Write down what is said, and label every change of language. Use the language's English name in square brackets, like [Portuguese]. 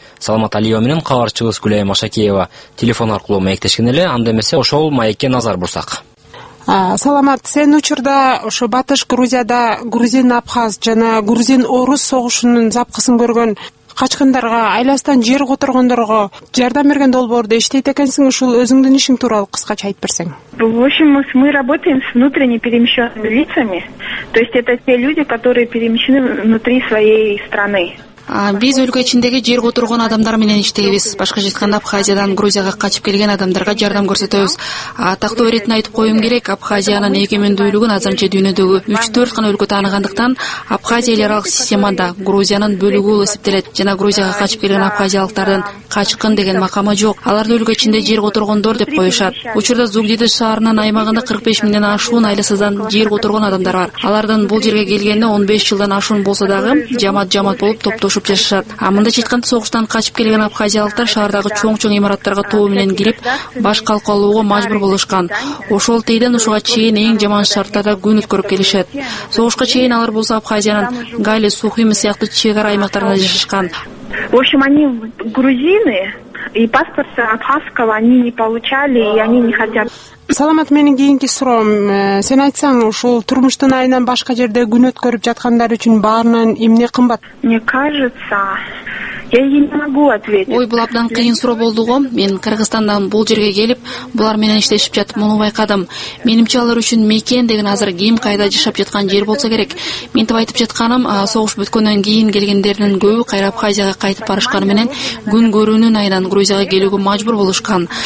[Kyrgyz] Саламат Алиева менен кабарчыбыз Гүлайым Ашакеева телефон аркылуу маектешкен эле, анда эмесе ошол маекке назар бурсак. Саламат, сен учурда ошо Батыш Грузияда грузин абхаз жана грузин орус согушунун запкысын көргөн качкындарга, айласынан жер которгондорго жардам берген долбоорду иштейт экенсиң, ушул өзүңдүн ишиң тууралуу кыскача айтып берсең. [Russian] В общем, мы работаем с внутренне перемещенными лицами, то есть это те люди, которые перемещены внутри своей страны. [Kyrgyz] Биз өлкө ичиндеги жер которгон адамдар менен иштейбиз. Башка жайтканда Абхазиядан Грузияга качып келген адамдарга жардам көрсөтөбүз. Тактоо иретин айтып коюм керек, Абхазиянын эгемендүүлүгүн азырынча дүйнөдөгү 3-4 гана өлкө таанагандыктан Абхазия эл аралык системада Грузиянын бөлүгү болуп эсептелет жана Грузияга качып келген абхазиялыктардын качкын деген макамы жок. Аларды өлкө ичинде жер которгондор деп коюшат. Учурда Зугдиди шаарынын аймагында 45 миңден ашуун айласыздан жер которгон адамдар бар. Алардын бул жерге келгенине 15 жылдан ашуун болсо дагы жамат-жамат болуп топ тошуп жашашат. Мындайча айтканда согуштан качып келген абхазиялыктар шаардагы чоң-чоң имараттарга тоо менен кирип, баш калкалоого мажбур болушкан. Ошол тейден ушуга чейин эң жаман шарттарда күн өткөрүп келишет. Согушка чейин алар болсо Абхазиянын Гали, Сухуми сыяктуу чек ара аймактарында жашашкан. [Russian] В общем, они грузины, и паспорт абхазского они не получали, и они не хотят. [Kyrgyz] Саламат, менин кийинки суроом, сен айтсаң, ушул турмуштун айынан башка жерде күн өткөрүп жаткандар үчүн баарынан эмне кымбат? [Russian] Мне кажется, я не могу ответить. [Kyrgyz] Ой, бул абдан кыйын суроо болду го. Мен Кыргызстандан бул жерге келип, булар менен иштешип жатып, муну байкадым. Менимче алар үчүн мекен деген азыр ким кайда жашап жаткан жер болсо керек. Ментип айтып жатканым, согуш бүткөндөн кийин келгендердин көбү кайра Абхазияга кайтып барышканы менен күн көрүүнүн айынан Грузияга келүүгө мажбур болушкан.